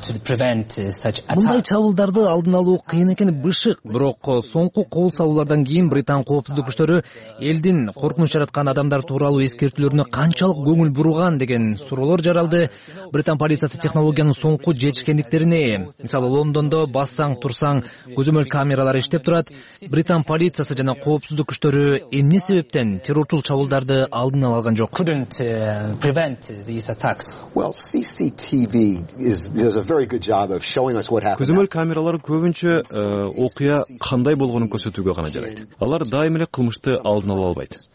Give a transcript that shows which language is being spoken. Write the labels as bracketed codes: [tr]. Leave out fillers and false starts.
[ky] Мындай чабуулдарды алдын алуу кыйын экени бышык, бирок соңку кол салуулардан кийин Британ коопсуздук күчтөрү элдин коркунуч жараткан адамдар тууралуу эскертүүлөрүнө канчалык көңүл бурган деген суроолор жаралды. Британ полициясы технологиянын соңку жетишкендиктерине, мисалы Лондондо бассаң турсаң көзөмөл камералар иштеп турат. Британ полициясы жана коопсуздук күчтөрү эмне себептен террорчул чабуулдарды алдын ала алган жок? [en] CCTV does a very good job of showing us what happened. [ky] Көзөмөл камералар көбүнчө окуя кандай болгонун көрсөтүүгө гана жарайт. Алар дайым эле кылмышты алдын ала албайт.